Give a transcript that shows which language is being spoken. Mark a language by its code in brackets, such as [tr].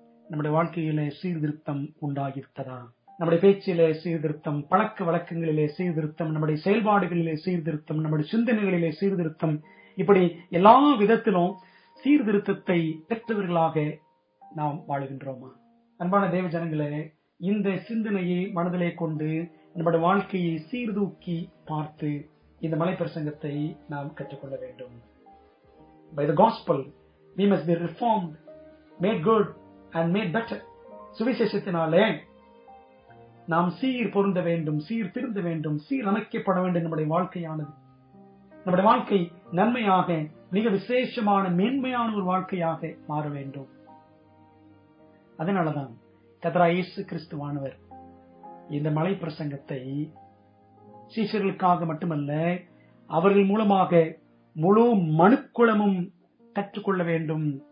[ta] நம்முடைய வாழ்க்கையில சீர்திருத்தம் உண்டாகிவிட்டதா? நம்முடைய பேச்சிலே சீர்திருத்தம், பழக்க வழக்கங்களிலே சீர்திருத்தம், நம்முடைய செயல்பாடுகளிலே சீர்திருத்தம், நம்முடைய சிந்தனைகளிலே சீர்திருத்தம், இப்படி எல்லா விதத்திலும் சீர்திருத்தத்தை பெற்றவர்களாக நாம் வாழ்கின்றோமா? அன்பான தேவ ஜனங்களே, இந்த சிந்தனையை மனதிலே கொண்டு நம்முடைய வாழ்க்கையை சீர்தூக்கி பார்த்து இந்த மலைப்பிரசங்கத்தை நாம் கற்றுக்கொள்ள வேண்டும். [en] By the gospel, we must be reformed, made good and made better. [ta] சுவிசேஷத்தினாலே நாம் சீர் பொருந்த வேண்டும், சீர் திருந்த வேண்டும், சீர் அமைக்கப்பட வேண்டும். நம்முடைய வாழ்க்கையானது, நம்முடைய வாழ்க்கை நன்மையாக, மிக விசேஷமான மேன்மையான ஒரு வாழ்க்கையாக மாற வேண்டும். அதனாலதான் கர்த்தராகிய இயேசு கிறிஸ்துவானவர் இந்த மலை பிரசங்கத்தை சீஷர்களுக்காக மட்டுமல்ல, அவர்கள் மூலமாக முழு மனுக்குளமும் கற்றுக்கொள்ள வேண்டும்,